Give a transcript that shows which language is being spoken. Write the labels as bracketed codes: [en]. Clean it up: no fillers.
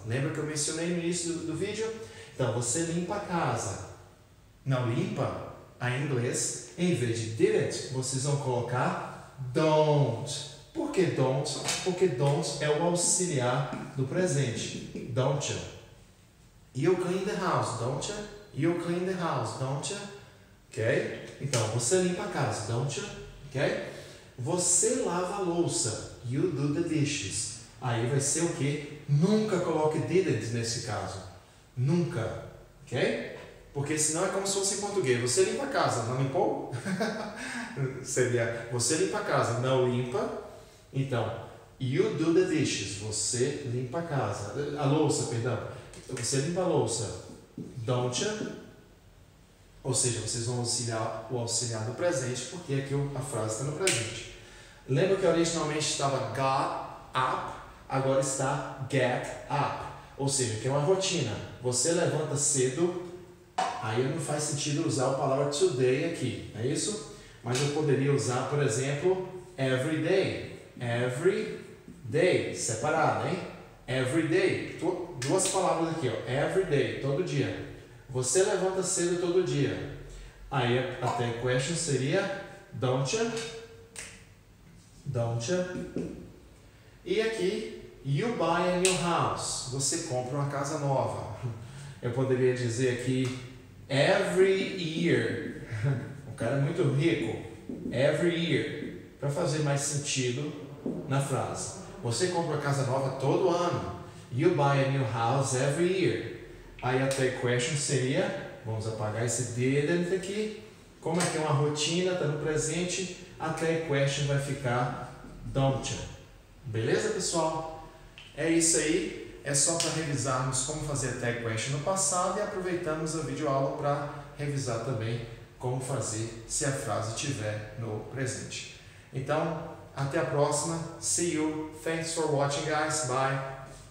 [pt] Lembra que eu mencionei no início do vídeo? Então, você limpa a casa. Não limpa, em inglês, em vez de did it, vocês vão colocar don't. Por que don't? Porque don't é o auxiliar do presente. [en] Don't you? You clean the house, don't you? You clean the house, don't you? Ok? [pt] Então, você limpa a casa, [en] don't you? [pt] Ok? Você lava a louça. [en] You do the dishes. [pt] Aí vai ser o quê? Nunca coloque didn't nesse caso. Nunca. Ok? Porque senão é como se fosse em português. Você limpa a casa, não limpou? Seria, você limpa a casa, não limpa. Então, [en] You do the dishes. [pt] Você limpa a casa. A louça, perdão. Você limpa a louça. [en] Don't you? [pt] Ou seja, vocês vão auxiliar o auxiliar no presente, porque aqui a frase está no presente. Lembra que originalmente estava got up, agora está get up. Ou seja, que é uma rotina. Você levanta cedo, aí não faz sentido usar a palavra today aqui, é isso? Mas eu poderia usar, por exemplo, every day. Every day, separado, hein? Every day, duas palavras aqui, ó. Every day, todo dia. Você levanta cedo todo dia. Aí a question seria [en] don't you? Don't you? E aqui, you buy a new house. [pt] Você compra uma casa nova. Eu poderia dizer aqui every year. O cara é muito rico. Every year. Para fazer mais sentido na frase. Você compra uma casa nova todo ano. [en] You buy a new house every year. [pt] Aí a third question seria, vamos apagar esse didn't aqui, como é que é uma rotina, está no presente, a third question vai ficar [en] don't you. [pt] Beleza, pessoal? É isso aí, é só para revisarmos como fazer a third question no passado e aproveitamos a videoaula para revisar também como fazer se a frase estiver no presente. Então, até a próxima, [en] see you, thanks for watching guys, bye!